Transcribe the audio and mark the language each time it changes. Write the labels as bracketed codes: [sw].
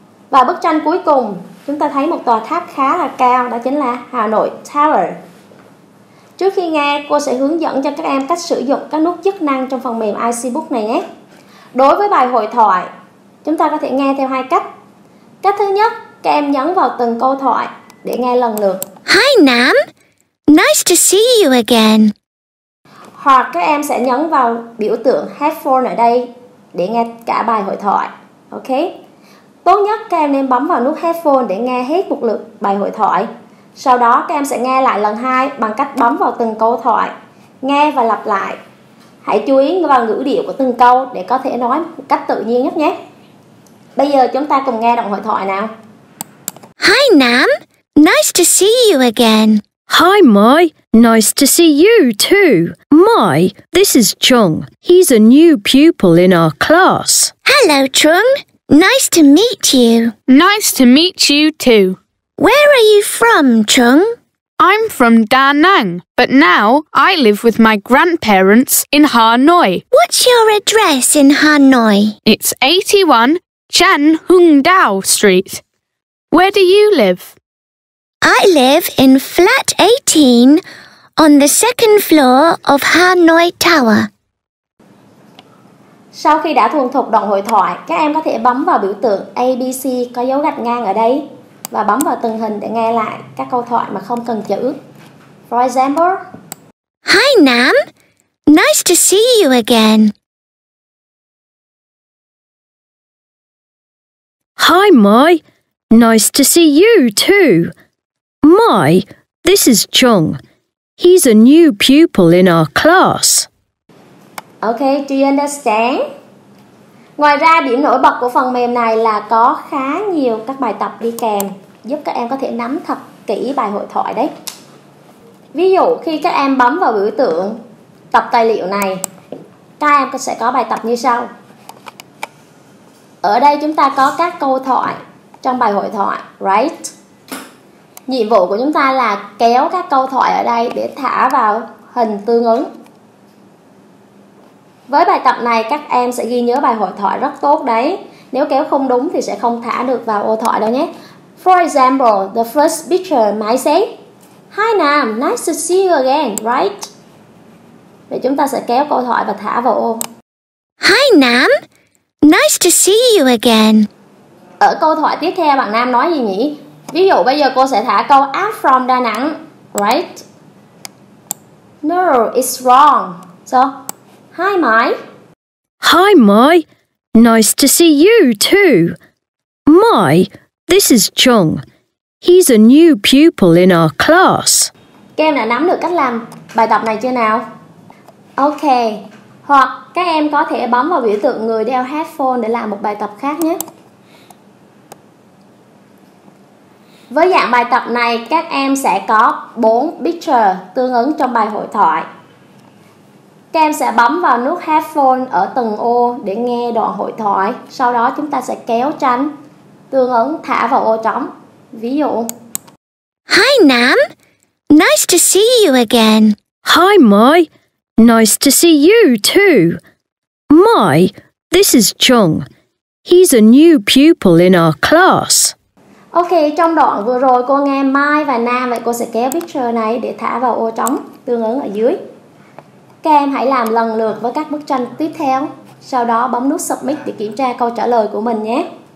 [vi] Và bức tranh cuối cùng, chúng ta thấy một tòa tháp khá là cao, đó chính là Hà Nội Tower. Trước khi nghe, cô sẽ hướng dẫn cho các em cách sử dụng các nút chức năng trong phần mềm IC Book này nhé. Đối với bài hội thoại, chúng ta có thể nghe theo hai cách. Cách thứ nhất, các em nhấn vào từng câu thoại để nghe lần lượt. [en] Hi Nam, nice to see you again. [vi] Hoặc các em sẽ nhấn vào biểu tượng headphone ở đây để nghe cả bài hội thoại. Ok? Tốt nhất các em nên bấm vào nút headphone để nghe hết một lượt bài hội thoại. Sau đó các em sẽ nghe lại lần hai bằng cách bấm vào từng câu thoại, nghe và lặp lại. Hãy chú ý vào ngữ điệu của từng câu để có thể nói một cách tự nhiên nhất nhé. Bây giờ chúng ta cùng nghe đoạn hội thoại nào. [en] Hi Nam, nice to see you again. Hi Mai, nice to see you too. Mai, this is Chung. He's a new pupil in our class. Hello Chung, nice to meet you. Nice to meet you too. Where are you from, Chung? I'm from Da Nang, but now I live with my grandparents in Hanoi. What's your address in Hanoi? It's 81 Chan Hung Dao Street. Where do you live? I live in flat 18 on the second floor of Hanoi Tower. [vi] Sau khi đã thuần thục đoạn hội thoại, các em có thể bấm vào biểu tượng ABC có dấu gạch ngang ở đây và bấm vào từng hình để nghe lại các câu thoại mà không cần chữ. [en] For example, Hi Nam, nice to see you again. Hi Mai, nice to see you too. Mai, this is Chung. He's a new pupil in our class. Okay, do you understand? [vi] Ngoài ra, điểm nổi bật của phần mềm này là có khá nhiều các bài tập đi kèm, giúp các em có thể nắm thật kỹ bài hội thoại đấy. Ví dụ, khi các em bấm vào biểu tượng tập tài liệu này, các em sẽ có bài tập như sau. Ở đây chúng ta có các câu thoại trong bài hội thoại, right? Nhiệm vụ của chúng ta là kéo các câu thoại ở đây để thả vào hình tương ứng. Với bài tập này, các em sẽ ghi nhớ bài hội thoại rất tốt đấy. Nếu kéo không đúng thì sẽ không thả được vào ô thoại đâu nhé. [en] For example, the first picture might say, Hi Nam, nice to see you again, right? [vi] Vậy chúng ta sẽ kéo câu thoại và thả vào ô. [en] Hi Nam, nice to see you again. [vi] Ở câu thoại tiếp theo, bạn Nam nói gì nhỉ? Ví dụ bây giờ cô sẽ thả câu [en] I'm from Đà Nẵng, right? No, it's wrong. So, Hi Mai. Hi Mai, nice to see you too. Mai, this is Chung. He's a new pupil in our class. [vi] Các em đã nắm được cách làm bài tập này chưa nào? Ok, hoặc các em có thể bấm vào biểu tượng người đeo headphone để làm một bài tập khác nhé. Với dạng bài tập này, các em sẽ có 4 picture tương ứng trong bài hội thoại. Các em sẽ bấm vào nút headphone ở từng ô để nghe đoạn hội thoại. Sau đó chúng ta sẽ kéo tranh tương ứng thả vào ô trống. Ví dụ. [en] Hi Nam, nice to see you again. Hi Mai, nice to see you too. Mai, this is Chung. He's a new pupil in our class. [vi] Ok, trong đoạn vừa rồi cô nghe Mai và Nam, vậy cô sẽ kéo picture này để thả vào ô trống tương ứng ở dưới. Các em hãy làm lần lượt với các bức tranh tiếp theo, sau đó bấm nút submit để kiểm tra câu trả lời của mình nhé.